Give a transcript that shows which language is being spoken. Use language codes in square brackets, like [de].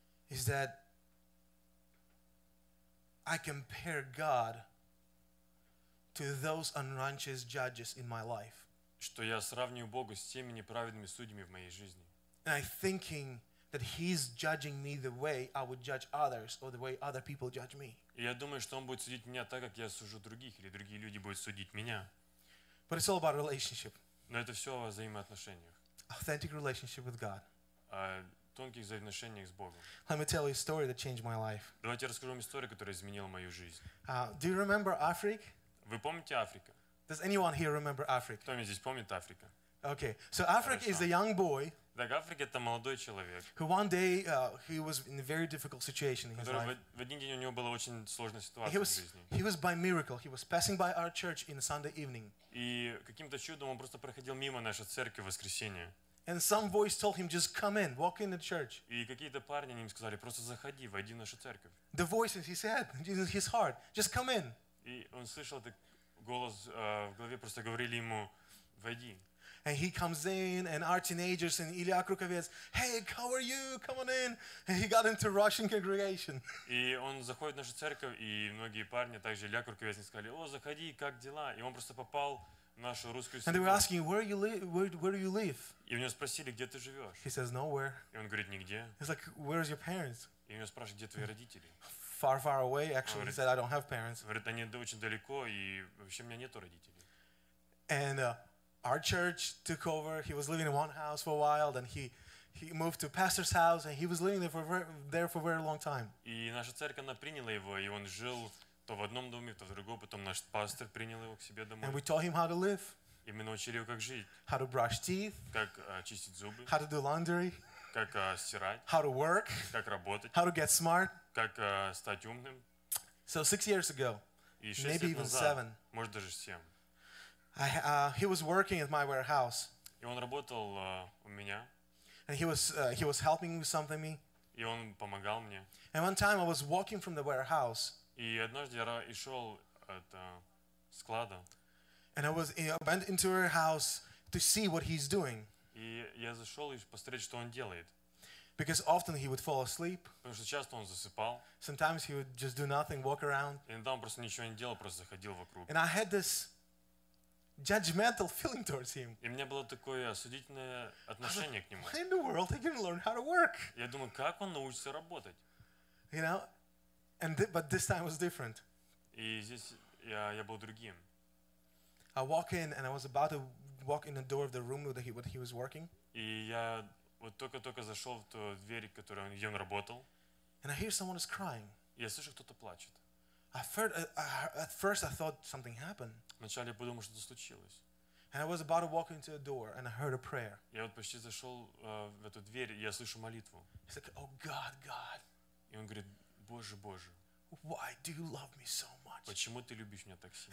[en] Is that I compare God to those unrighteous judges in my life. [ru] Что я сравниваю Бога с теми неправедными судьями в моей жизни. [en] And I'm thinking that He's judging me the way I would judge others or the way other people judge me. [ru] И я думаю, что Он будет судить меня так, как я сужу других, или другие люди будут судить меня. [en] But it's all about relationship. [ru] Но это все о взаимоотношениях. [en] Authentic relationship with God. [ru] Тонких взаимоотношениях с Богом. [en] Let me tell you a story that changed my life. [ru] Давайте расскажу вам историю, которая изменила мою жизнь. [en] Do you remember Africa? [ru] Вы помните Африку? [en] Does anyone here remember Africa? [ru] Кто здесь помнит Африку? [en] Okay, so Africa is a young boy. [ru] Так, Африка — это молодой человек. [en] Who one day he was in a very difficult situation in his life. [ru] В один день у него была очень сложная ситуация в жизни. [en] He was by miracle. He was passing by our church in a Sunday evening. [ru] И каким-то чудом он просто проходил мимо нашей церкви в воскресенье. [en] And some voice told him, just come in, walk in the church. [ru] И какие-то парни им сказали, просто заходи, войди в нашу церковь. [en] The voice in his head, in his heart, just come in. [ru] И он слышал этот голос в голове, просто говорили ему, войди. [en] And he comes in, and our teenagers and Ilya Krukovets, hey, how are you? Come on in. And he got into Russian congregation. [ru] И он заходит в нашу церковь, и многие парни, также Илья Крукавец, сказали, о, заходи, как дела? И он просто попал. [en] And they were asking, where do you live? [ru] И у него спросили, где ты живешь? [en] He says, nowhere. [ru] И он говорит, нигде. [en] He's like, where's your parents? [ru] И у него спрашивают, где твои родители? [en] Far, far away. Actually, he said, I don't have parents. [ru] Говорит, они очень далеко, и вообще у меня нету родителей. [en] And our church took over. He was living in one house for a while, then he moved to pastor's house, and he was living there for a very long time. [ru] И наша церковь приняла его, и он жил. То в одном доме, то в другом, потом наш пастор принял его к себе домой. [en] And we taught him how to live. [ru] И мы научили его, как жить. [en] How to brush teeth. [ru] Как чистить зубы. [en] How to do laundry. [ru] Как стирать. [en] How to work. [ru] Как работать. [en] How to get smart. [ru] Как стать умным. [en] So 6 years ago, maybe even seven. [ru] Может даже 7. [en] He was working at my warehouse. [ru] И он работал у меня. [en] And he was helping with something. [ru] И он помогал мне. [en] And one time I was walking from the warehouse. [ru] И однажды я шел от склада. [en] And I went into her house to see what he's doing. [ru] И я зашел и посмотреть, что он делает. [en] Because often he would fall asleep. [ru] Потому что часто он засыпал. [en] Sometimes he would just do nothing, walk around. [ru] И иногда он просто ничего не делал, просто заходил вокруг. [en] And I had this judgmental feeling towards him. [ru] И у меня было такое осудительное отношение к нему. [en] Why in the world he can learn how to work? [ru] Я думаю, как он научится работать? [en] You know. But this time was different. [ru] И здесь я был другим. [en] I walk in and I was about to walk in the door of the room where he was working. [ru] И я вот только-только зашел в ту дверь, которую где он работал. [en] And I hear someone is crying. [ru] Я слышу, кто-то плачет. [en] At first I thought something happened. [ru] Вначале я подумал, что-то случилось. [en] And I was about to walk into a door, and I heard a prayer. [ru] Я вот почти зашел в эту дверь, я слышу молитву. [en] He's like, "Oh God, God." [ru] И он говорит, Боже, Боже. [en] Why do you love me so much? [ru] Почему ты любишь меня так сильно?